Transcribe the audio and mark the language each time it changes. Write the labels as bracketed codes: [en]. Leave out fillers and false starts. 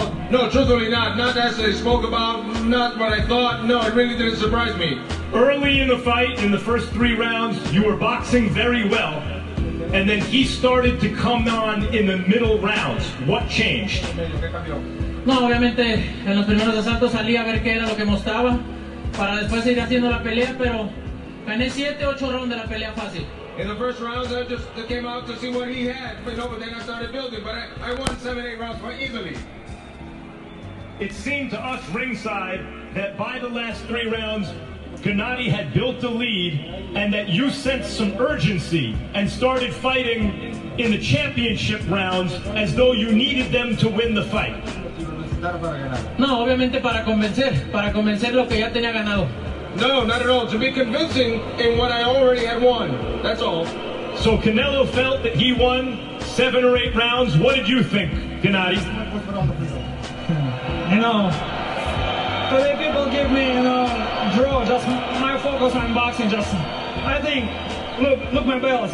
[en] No, truthfully not as they spoke about, not what I thought. No, it really didn't surprise me. Early in the fight, in the first three rounds, you were boxing very well. And then he started to come on in the middle rounds. What changed? [es] No, obviamente, en los primeros asaltos salí a ver qué era lo que mostraba para después seguir haciendo la pelea, pero gané 7-8 rounds de la pelea fácil. [en] In the first rounds, I just came out to see what he had, but then I started building, but I won 7-8 rounds quite easily. It seemed to us ringside that by the last three rounds, Gennady had built the lead, and that you sensed some urgency and started fighting in the championship rounds as though you needed them to win the fight. [es] No, obviamente para convencer lo que ya tenía ganado. [en] No, not at all. To be convincing in what I already had won. That's all. So Canelo felt that he won 7 or 8 rounds. What did you think, Gennady? You know, many people give me, you know, draw. Just my focus on boxing. Just, I think, look my belts.